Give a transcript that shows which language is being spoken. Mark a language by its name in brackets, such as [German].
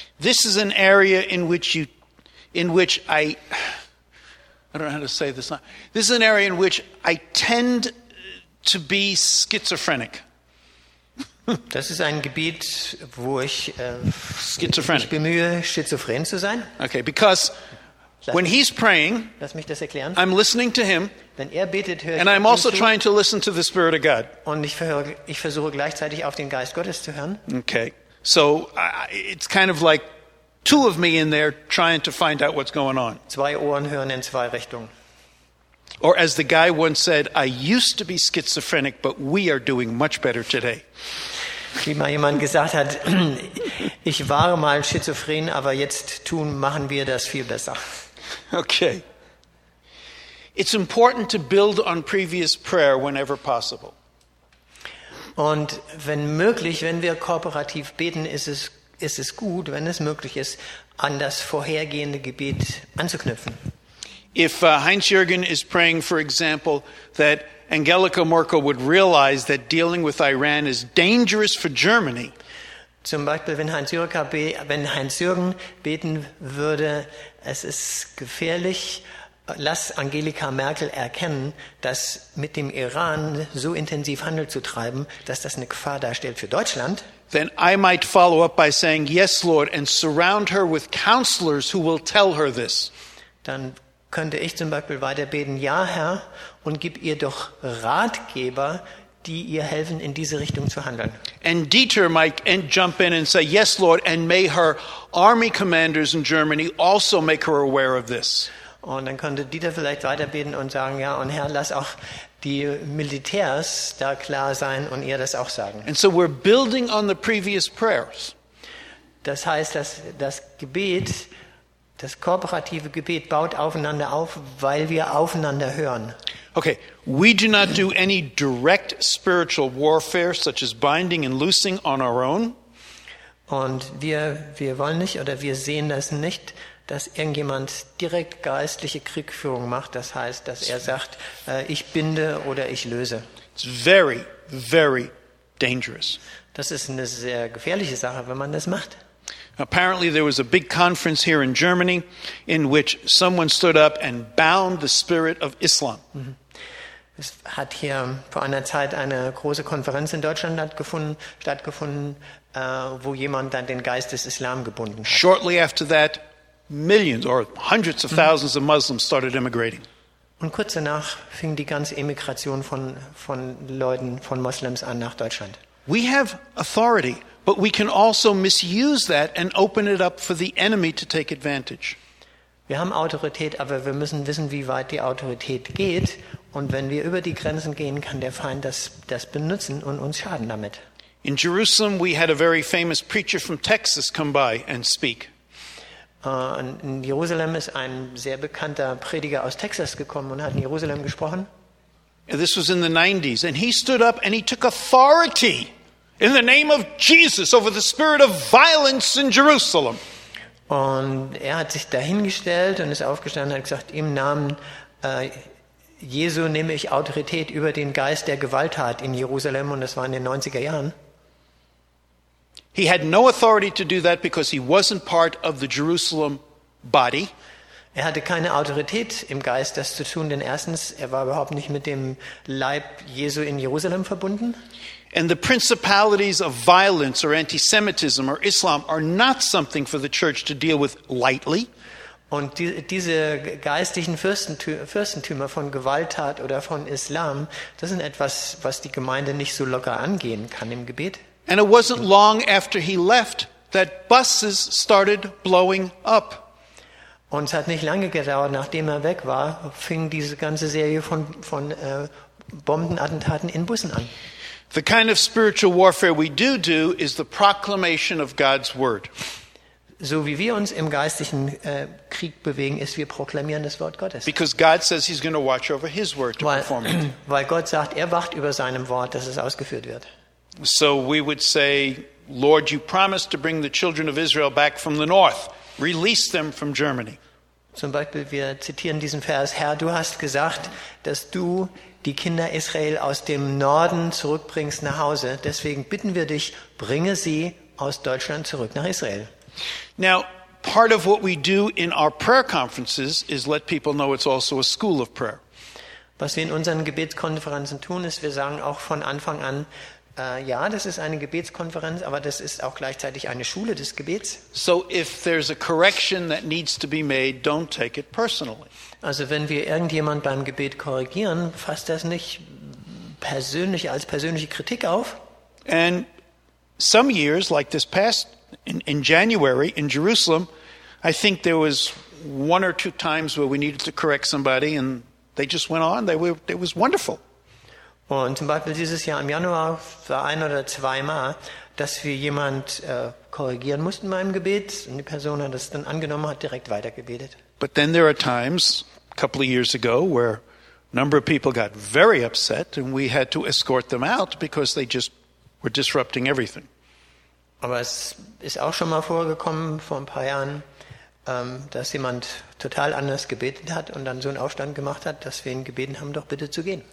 [English] This is an area in which I tend to be schizophrenic. [German] Das ist ein Gebiet, wo ich mich bemühe, schizophren zu sein. [English] Okay, because when he's praying, [German] lass mich das erklären. [English] I'm listening to him. [German] Wenn er betet, höre ich [English] and I'm also trying to listen to the Spirit of God. [German] Und ich versuche gleichzeitig auf den Geist Gottes zu hören. [English] Okay, so it's kind of like two of me in there trying to find out what's going on. [German] Zwei Ohren hören in zwei Richtungen. [English] Or as the guy once said, I used to be schizophrenic, but we are doing much better today. [German] Wie mal jemand gesagt hat, ich war mal schizophren, aber jetzt machen wir das viel besser. [English] Okay. It's important to build on previous prayer whenever possible. [German] Und wenn möglich, wenn wir kooperativ beten, ist es gut, wenn es möglich ist, an das vorhergehende Gebet anzuknüpfen. [English] If Heinz-Jürgen is praying, for example, that Angela Merkel would realize that dealing with Iran is dangerous for Germany. [German] Zum Beispiel, wenn Heinz-Jürgen beten würde, es ist gefährlich. Lass Angelika Merkel erkennen, dass mit dem Iran so intensiv Handel zu treiben, dass das eine Gefahr darstellt für Deutschland. [English] Then I might follow up by saying, yes, Lord, and surround her with counselors who will tell her this. [German] Dann könnte ich zum Beispiel weiterbeten, ja, Herr, und gib ihr doch Ratgeber, die ihr helfen, in diese Richtung zu handeln. [English] And Dieter might jump in and say, yes, Lord, and may her army commanders in Germany also make her aware of this. [German] Und dann könnte Dieter vielleicht weiterbeten und sagen, ja, und Herr, lass auch die Militärs da klar sein und ihr das auch sagen. [English] And so we're building on the previous prayers. [German] Das heißt, dass das Gebet, das kooperative Gebet baut aufeinander auf, weil wir aufeinander hören. [English] Okay, we do not do any direct spiritual warfare, such as binding and loosing on our own. [German] Und wir wollen nicht oder wir sehen das nicht, dass irgendjemand direkt geistliche Kriegführung macht, das heißt, dass er sagt, ich binde oder ich löse. [English] It's very, very dangerous. [German] Das ist eine sehr gefährliche Sache, wenn man das macht. [English] Apparently there was a big conference here in Germany in which someone stood up and bound the spirit of Islam. [German] Es hat hier vor einer Zeit eine große Konferenz in Deutschland stattgefunden, wo jemand dann den Geist des Islam gebunden hat. [English] Shortly after that, millions or hundreds of thousands of Muslims started immigrating. [German] Und kurz danach fing die ganze Emigration von Leuten, von Moslems an nach Deutschland. [English] We have authority, but we can also misuse that and open it up for the enemy to take advantage. [German] Wir haben Autorität, aber wir müssen wissen, wie weit die Autorität geht. Und wenn wir über die Grenzen gehen, kann der Feind das benutzen und uns schaden damit. [English] In Jerusalem, we had a very famous preacher from Texas come by and speak. [German] In Jerusalem ist ein sehr bekannter Prediger aus Texas gekommen und hat in Jerusalem gesprochen. [English] This was in the 90s, and he stood up and he took authority in the name of Jesus over the spirit of violence in Jerusalem. [German] Und er hat sich dahingestellt und ist aufgestanden und hat gesagt, im Namen Jesu nehme ich Autorität über den Geist der Gewalttat in Jerusalem, und das war in den 90er Jahren. [English] He had no authority to do that because he wasn't part of the Jerusalem body. [German] Er hatte keine Autorität im Geist, das zu tun, denn erstens, er war überhaupt nicht mit dem Leib Jesu in Jerusalem verbunden. [English] And the principalities of violence or antisemitism or Islam are not something for the church to deal with lightly. [German] Und diese geistlichen Fürstentümer von Gewalttat oder von Islam, das sind etwas, was die Gemeinde nicht so locker angehen kann im Gebet. [English] And it wasn't long after he left that buses started blowing up. [German] Und es hat nicht lange gedauert, nachdem er weg war, fing diese ganze Serie von Bombenattentaten in Bussen an. [English] The kind of spiritual warfare we do is the proclamation of God's word. [German] So wie wir uns im geistlichen Krieg bewegen, ist, wir proklamieren das Wort Gottes. [English] Because God says he's going to watch over his word to perform it. [German] Weil Gott sagt, er wacht über seinem Wort, dass es ausgeführt wird. [English] So we would say, Lord, you promised to bring the children of Israel back from the north. Release them from Germany. [German] Zum Beispiel, wir zitieren diesen Vers, Herr, du hast gesagt, dass du die Kinder Israel aus dem Norden zurückbringst nach Hause. Deswegen bitten wir dich, bringe sie aus Deutschland zurück nach Israel. [English] Now, part of what we do in our prayer conferences is let people know it's also a school of prayer. [German] Was wir in unseren Gebetskonferenzen tun, ist, wir sagen auch von Anfang an, ja, das ist eine Gebetskonferenz, aber das ist auch gleichzeitig eine Schule des Gebets. [English] So if there's a correction that needs to be made, don't take it personally. [German] Also wenn wir irgendjemand beim Gebet korrigieren, fasst das nicht persönlich als persönliche Kritik auf. [English] And some years, like this past in January in Jerusalem, I think there was one or two times where we needed to correct somebody and they just went on. It was wonderful. [German] Und zum Beispiel dieses Jahr im Januar war ein oder zweimal, dass wir jemand korrigieren mussten in meinem Gebet, und die Person hat das dann angenommen, hat direkt weitergebetet. [English] But then there are times, a couple of years ago, where a number of people got very upset and we had to escort them out because they just were disrupting everything. [German] Aber es ist auch schon mal vorgekommen vor ein paar Jahren, dass jemand total anders gebetet hat und dann so einen Aufstand gemacht hat, dass wir ihn gebeten haben, doch bitte zu gehen.